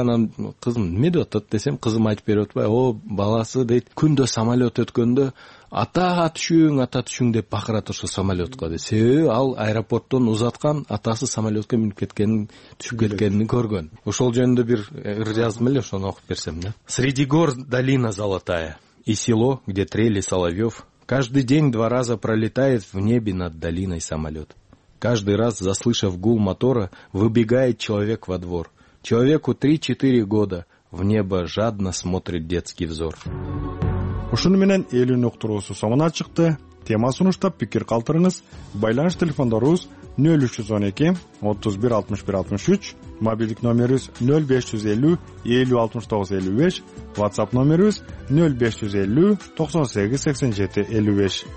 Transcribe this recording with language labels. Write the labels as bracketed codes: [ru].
[ky] Анан кызым эмне деп атат десем, кызым айтып берип атпайбы? О, баласы дейт, күндө самолет өткөндө атага түшүң, ата түшүң деп бакырат ошол самолетко дейт. Себеби ал аэропорттон узаткан атасы самолетке минип кеткенин, түшүп кеткенин көргөн. Ошол жөнүндө бир ыр жаздым эле, ошону окуп берсем да. [ru] Среди гор долина золотая и село, где трели соловьев, каждый день 2 раза пролетает в небе над долиной самолет. Каждый раз, заслышав гул мотора, выбегает человек во двор. Человеку 3-4 года. В небо жадно смотрит детский взор. [ky] Ушуну менен элүүнүн уктуруусу соңуна чыкты. Тема сунуштап пикир калтырыңыз. Байланыш телефондорубуз 0312 31 61 63, мобилдик номерибиз 0550 50 69 55, WhatsApp номерибиз 0550 98 87 55.